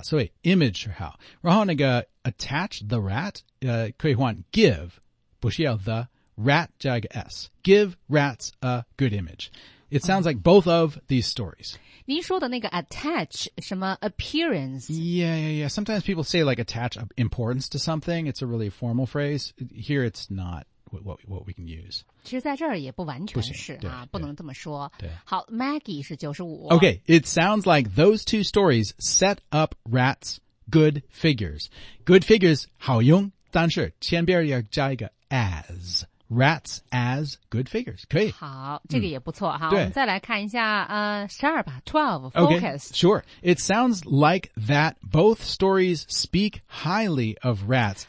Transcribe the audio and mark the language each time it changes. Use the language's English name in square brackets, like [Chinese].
[Chinese] 所以 image 是好。然后那个 [English] attach the rat, [Chinese] 可以换 give, 不需要 the,Rat 加一个 S. [English] Give rats a good image. It sounds like both of these stories. [Chinese] 您说的那个 attach, 什么 appearance? [English] Yeah, yeah, yeah. Sometimes people say like attach importance to something. It's a really formal phrase. Here it's not what we can use. [Chinese] 其实在这儿也不完全是不行啊不能这么说。对好 Maggie 是95。 [English] Okay, it sounds like those two stories set up rats good figures. Good figures, [Chinese] 好用但是前边要加一个 as. [English] Rats as good figures. [Chinese] 可以。好这个也不错哈。我们再来看一下12吧 ,12, [English] Okay, sure. It sounds like that both stories speak highly of rats.